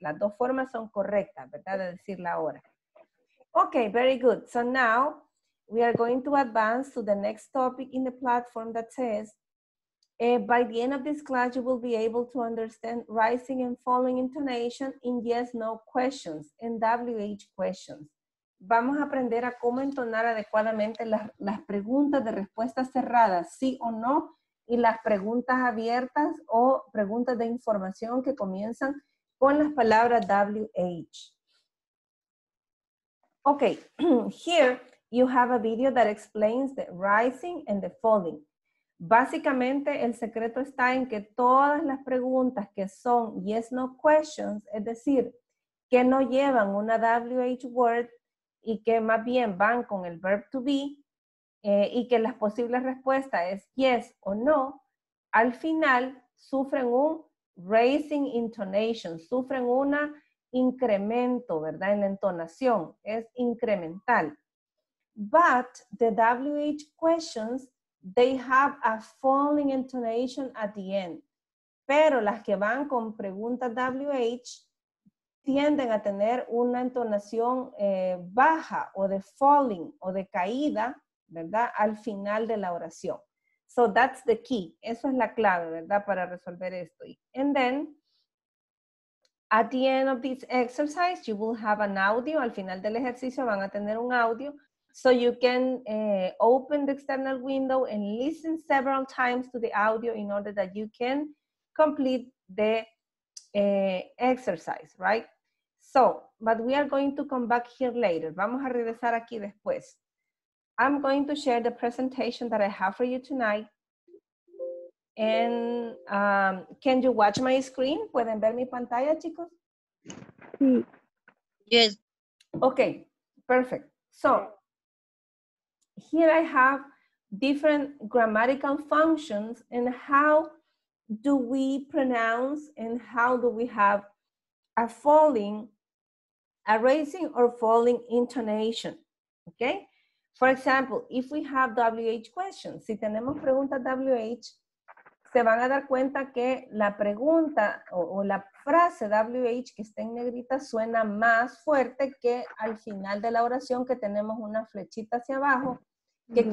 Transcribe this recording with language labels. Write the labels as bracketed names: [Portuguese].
[Spanish] Las dos formas son correctas, ¿verdad? De decir la hora. [English] Okay, very good. So now... we are going to advance to the next topic in the platform that says, by the end of this class, you will be able to understand rising and falling intonation in yes, no questions, in WH questions. [Spanish] Vamos a aprender a cómo entonar adecuadamente las preguntas de respuestas cerradas, sí o no, y las preguntas abiertas o preguntas de información que comienzan con las palabras WH. [English] Okay, here... you have a video that explains the rising and the falling. [Spanish] Básicamente, el secreto está en que todas las preguntas que son [English] yes, no questions, [Spanish] es decir, que no llevan una WH word y que más bien van con el verb to be, y que la posible respuesta es yes o no, al final sufren un [English] rising intonation, [Spanish] sufren un incremento, ¿verdad? En la entonación, es incremental. [English] But the WH questions, they have a falling intonation at the end. [Spanish] Pero las que van con preguntas WH tienden a tener una entonación baja o de falling o de caída, ¿verdad? Al final de la oración. [English] So that's the key. [Spanish] Eso es la clave, ¿verdad? Para resolver esto. [English] And then, at the end of this exercise, you will have an audio. [Spanish] Al final del ejercicio van a tener un audio. [English] So you can open the external window and listen several times to the audio in order that you can complete the exercise, right? So, but we are going to come back here later. [Spanish] Vamos a regresar aquí después. [English] I'm going to share the presentation that I have for you tonight. And can you watch my screen? [Spanish] ¿Pueden ver mi pantalla, chicos? [English] Yes. Okay, perfect. So, here I have different grammatical functions and how do we pronounce and how do we have a falling, a raising or falling intonation, okay? For example, if we have WH questions, [Spanish] si tenemos preguntas WH, se van a dar cuenta que la pregunta o la frase WH que está en negrita suena más fuerte que al final de la oración que tenemos una flechita hacia abajo, que mm-hmm.